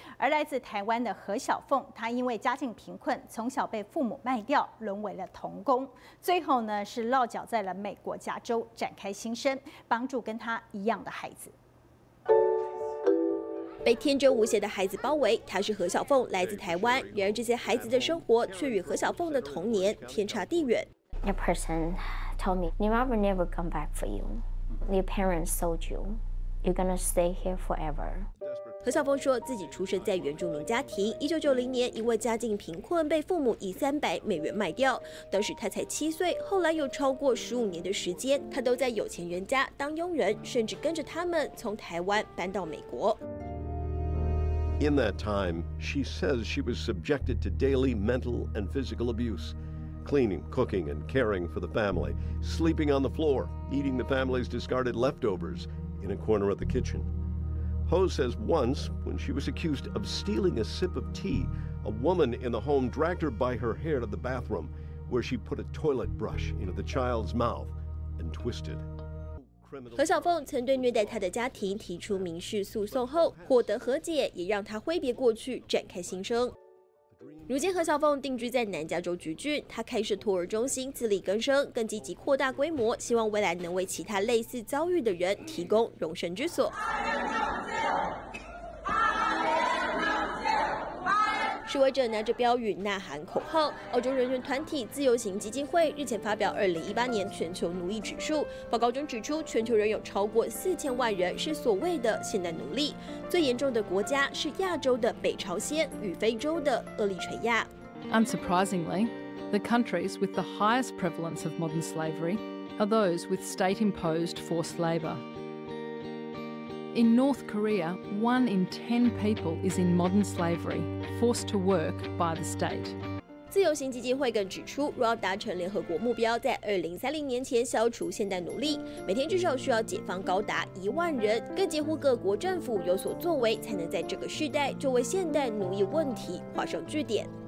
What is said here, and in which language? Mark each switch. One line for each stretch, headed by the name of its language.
Chinese: 而来自台湾的何小凤，她因为家境贫困，从小被父母卖掉，沦为了童工，最后呢是落脚在了美国加州，展开新生，帮助跟她一样的孩子。被天真无邪的孩子包围，他是何小凤，来自台湾。然而这些孩子的生活却与何小凤的童年天差地远。
English: Your person told me, your mother never come back for you. Your parents sold you. You're gonna stay here forever.
Chinese: 何小凤说自己出生在原住民家庭，1990年因为家境贫困被父母以300美元卖掉，当时他才7岁，后来有超过15年的时间，他都在有钱人家当佣人，甚至跟着他们从台湾搬到美国。
English: In that time, she says she was subjected to daily mental and physical abuse, cleaning, cooking, and caring for the family, sleeping on the floor, eating the family's discarded leftovers in a corner of the kitchen. Ho says once, when she was accused of stealing a sip of tea, a woman in the home dragged her by her hair to the bathroom, where she put a toilet brush into the child's mouth and twisted.
Chinese: 何小凤曾对虐待她的家庭提出民事诉讼后获得和解，也让她挥别过去，展开新生。如今何小凤定居在南加州橘郡，她开设托儿中心自力更生，更积极扩大规模，希望未来能为其他类似遭遇的人提供容身之所。示威者拿着标语呐喊口号。澳洲人权团体自由行基金会日前发表2018年全球奴役指数报告，中指出全球仍有超过4000万人是所谓的现代奴隶，最严重的国家是亚洲的北朝鲜与非洲的厄立垂亚。
English: Unsurprisingly, the countries with the highest prevalence of modern slavery are those with state-imposed forced labor. In North Korea, 1 in 10 people is in modern slavery. Forced to work by the state.
Chinese: 自由行基金会更指出，若要达成联合国目标，在2030年前消除现代奴隶，每天至少需要解放高达10000人，更几乎各国政府有所作为，才能在这个世代就为现代奴役问题画上句点。